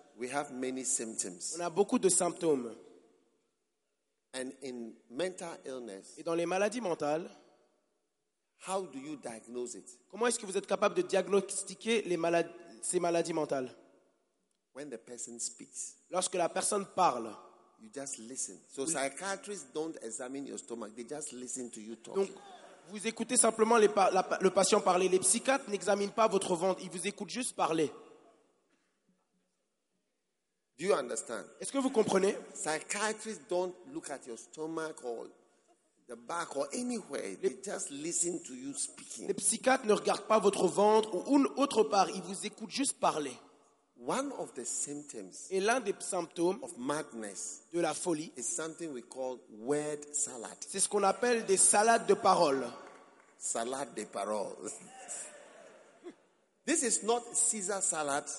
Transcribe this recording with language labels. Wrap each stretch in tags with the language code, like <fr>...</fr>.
<en>We have many symptoms.</en> <fr>On a beaucoup de symptômes.</fr> <en>And in mental illness,</en> <fr>et dans les maladies mentales,</fr> <en>how do you diagnose it?</en> <fr>Comment est-ce que vous êtes capable de diagnostiquer ces maladies mentales?</fr> <en>When the person speaks,</en> <fr>lorsque la personne parle,</fr> <en>you just listen. So psychiatrists don't examine your stomach; they just listen to you talking.</en> <fr>Donc, vous écoutez simplement le patient parler. Les psychiatres n'examinent pas votre ventre; ils vous écoutent juste parler.</fr> <en>Do you understand?</en> <fr>Est-ce que vous comprenez?</fr> <en>Psychiatrists don't look at your stomach or the back or anywhere. They just listen to you speaking.</en> <fr>Les psychiatres ne regardent pas votre ventre ou une autre part. Ils vous écoutent juste parler.</fr> <en>One of the symptoms</en> <fr>et l'un des symptômes</fr> <en>of madness</en> <fr>de la folie</fr> <en>is something we call word salad.</en> <fr>C'est ce qu'on appelle des salades de paroles. Salade de paroles.</fr> <en>This is not Caesar salad.</en>